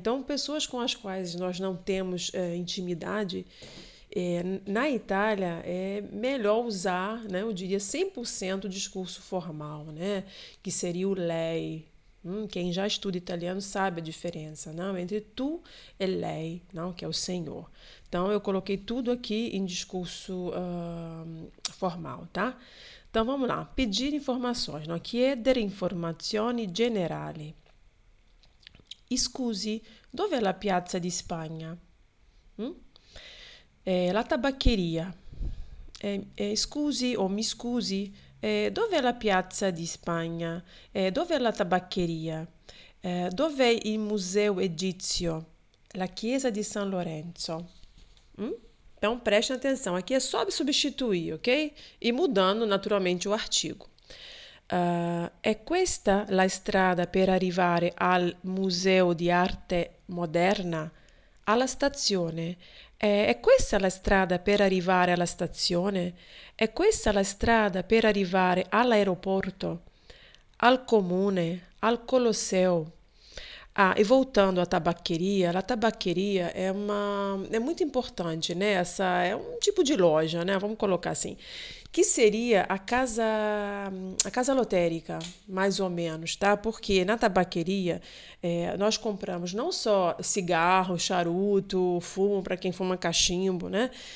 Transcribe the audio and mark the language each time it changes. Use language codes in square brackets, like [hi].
[pt] Então, pessoas com as quais nós não temos intimidade, na Itália é melhor usar, né, eu diria, 100% o discurso formal, né? Que seria o lei. Quem já estuda italiano sabe a diferença, não? Entre tu e lei, não? Que é o senhor. Então eu coloquei tudo aqui em discurso formal, tá? Então vamos lá, pedir informações, não? [it] Chiedere informazioni generali. Scusi, dov'è la piazza di Spagna? La tabaccheria. Scusi o mi scusi? Dov'è la piazza di Spagna? Dov'è la tabaccheria? Dov'è il museo egizio? La chiesa di San Lorenzo? [pt] Então preste atenção, aqui é só substituir, ok? E mudando naturalmente o artigo. [it] È questa la strada per arrivare al Museo di Arte Moderna? Alla stazione? È questa la strada per arrivare alla stazione? È questa la strada per arrivare all'aeroporto? Al comune? Al Colosseo? [pt] Ah, e voltando à [it] tabaccheria, la tabaccheria è molto importante, né? [pt] Essa è un tipo di loja, né? Vamos colocar assim. Que seria a casa lotérica, mais ou menos, tá? Porque na tabaqueria nós compramos não só cigarro, charuto, fumo para quem fuma cachimbo, né?